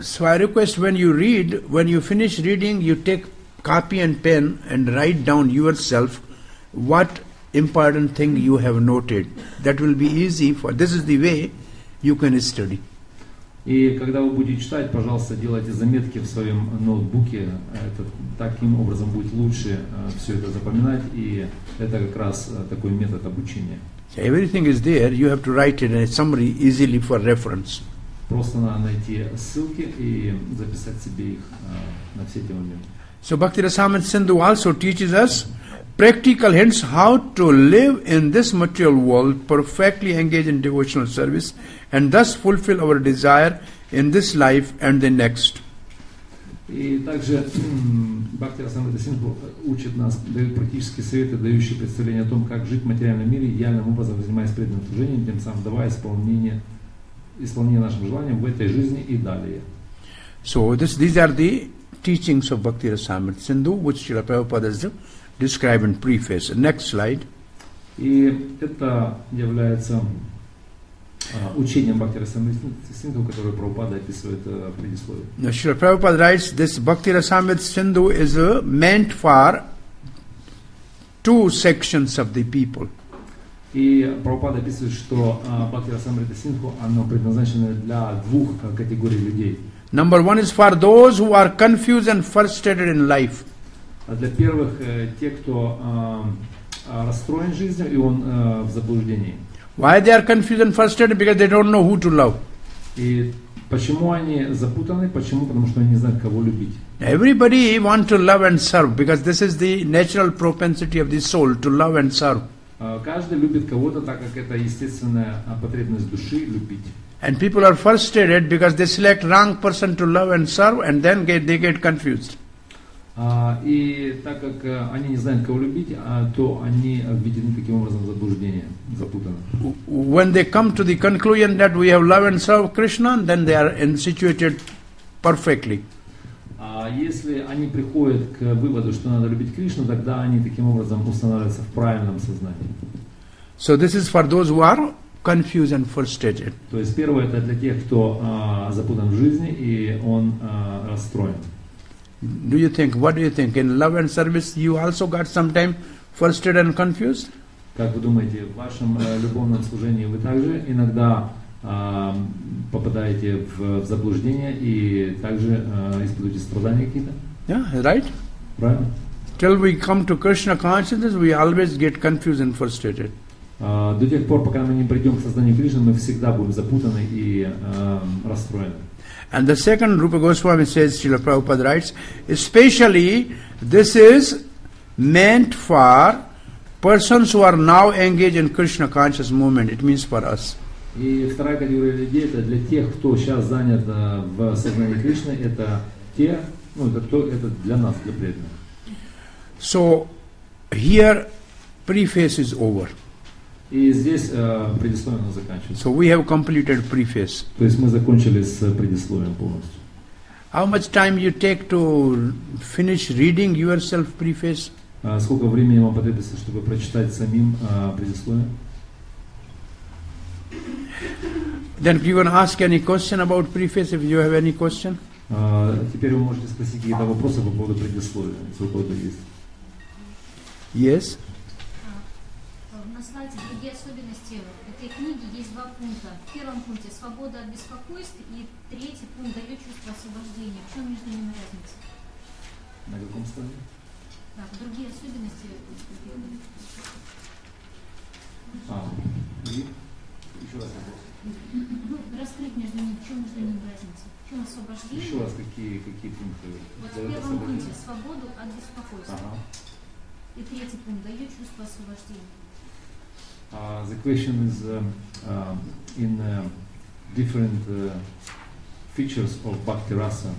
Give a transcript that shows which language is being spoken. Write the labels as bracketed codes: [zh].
[en] So I request, when you read, when you finish reading, you take copy and pen and write down yourself what important thing you have noted. That will be easy for, this is the way you can study. [ru] И когда вы будете читать, пожалуйста, делайте заметки в своем ноутбуке. Это, таким образом будет лучше все это запоминать. И это как раз такой метод обучения. [en] So everything is there. You have to write it in a summary easily for reference. [ru] Просто надо найти ссылки и записать себе их на все эти моменты. [en] So Bhakti Rasamrita Sindhu also teaches us practical hints how to live in this material world, perfectly engage in devotional service, and thus fulfill our desire in this life and the next. [ru] И также Бхакти Расамрита Синдху учит нас, дает практические советы, дающие представление о том, как жить в материальном мире, идеальным образом занимаясь преданным служением, тем самым давая исполнение нашим желаниям в этой жизни и далее. [en] So these are the teachings of Bhakti Rasamrita Sindhu, which Srila Prabhupada has described in preface. Next slide. [ru] И это является учением Бхакти Расамрита Синдху, которое Прабхупада описывает в предисловии. [en] Now, Srila Prabhupada writes, this Bhakti Rasamrita Sindhu is meant for two sections of the people. [ru] И Прабхупада описывает, что Бхакти Расамрита Синдху, оно предназначено для двух категорий людей. [en] Number one is for those who are confused and frustrated in life. [ru] Для первых, те, кто расстроен жизнью, и он в заблуждении. [en] Why they are confused and frustrated? Because they don't know who to love. [ru] И почему они запутаны? Почему? Потому что они не знают, кого любить. [en] Everybody want to love and serve, because this is the natural propensity of the soul, to love and serve. [ru] Каждый любит кого-то, так как это естественная потребность души – любить. [en] And people are frustrated because they select wrong person to love and serve, and then they get confused. [ru] И так как они не знают, кого любить, то они введены таким образом в заблуждение, запутаны. [en] When they come to the conclusion that we have love and serve Krishna, then they are situated perfectly. [ru] Если они приходят к выводу, что надо любить Кришну, тогда они таким образом устанавливаются в правильном сознании. [en] So this is for those who are confused and frustrated. [ru] То есть первое это для тех, кто запутан в жизни и он расстроен. [en] Do you think? What do you think? In love and service, you also got sometime frustrated and confused? [ru] Как вы думаете, в вашем любовном служении вы также иногда попадаете в заблуждение и также испытываете страдания какие-то? [en] Yeah, right. [ru] Правильно. [en] Till we come to Krishna consciousness, we always get confused and frustrated. [ru] До тех пор, пока мы не придем к сознанию Кришны, мы всегда будем запутаны и расстроены. [en] And the second Rupa Goswami says, Srila Prabhupada writes, especially this is meant for persons who are now engaged in Krishna conscious movement. It means for us. [ru] И вторая категория людей это для тех, кто сейчас занят в сознании Кришны, это те, ну это кто, это для нас, для преданных. [en] So here preface is over. [ru] И здесь предисловие оно заканчивается. [en] So we have completed preface. [ru] То есть мы закончили с предисловием полностью. [en] How much time you take to finish reading yourself preface? [ru] Сколько времени вам потребуется, чтобы прочитать самим предисловие? [en] Then you can ask any question about preface if you have any question. [ru] Теперь вы можете спросить какие-то вопросы по поводу предисловия, если у кого-то есть. [en] Yes. [ru] На слайде другие особенности этой книги есть два пункта. В первом пункте свобода от беспокойств и третий пункт дает чувство освобождения. В чем между ними разница? На каком слайде? Так, другие особенности. Еще раз вопрос. Раскрыть между ними, в чем между ними разница? В чем освобождение? Еще раз, какие пункты? Вот в первом пункте свободу от беспокойства. Ага. И третий пункт дает чувство освобождения. [en] The question is in different features of Bhakti Rasa.